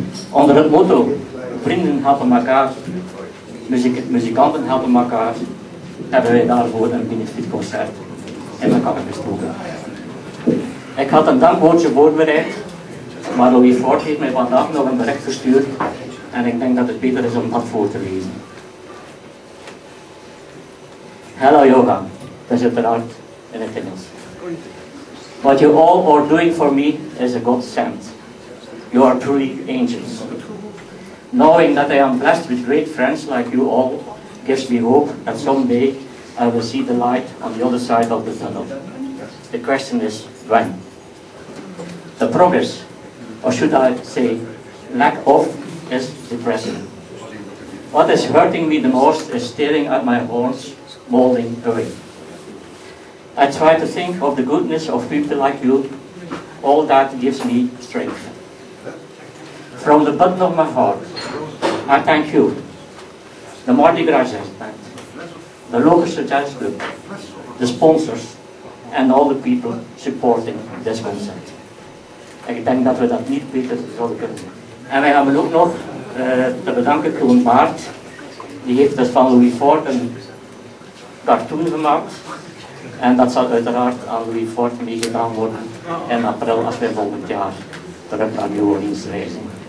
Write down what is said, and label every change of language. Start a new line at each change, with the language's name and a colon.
Dutch: Onder het motto, vrienden helpen elkaar, muzikanten helpen elkaar, hebben wij daarvoor een benefietconcert in elkaar gestoken. Ik had een dankwoordje voorbereid, maar Louis Ford heeft mij vandaag nog een bericht gestuurd en ik denk dat het beter is om dat voor te lezen. Hello Yoga, dat is uiteraard in het Engels.
English: What you all are doing for me is a godsend. You are truly angels. Knowing that I am blessed with great friends like you all gives me hope that someday I will see the light on the other side of the tunnel. The question is, when? The progress, or should I say, lack of, is depressing. What is hurting me the most is staring at my horns, molding away. I try to think of the goodness of people like you. All that gives me strength. From the bottom of my heart, I thank you. The Mardi Gras event, the Locust Jazz Group, the sponsors, and all the people supporting this concert.
Dutch: Ik denk dat we dat niet beter zouden kunnen. En wij hebben ook nog te bedanken Koen Baart. Die heeft dus van Louis Ford een cartoon gemaakt. En dat zal uiteraard aan Louis Ford meegedaan worden in april als wij volgend jaar terug naar New Orleans reizen.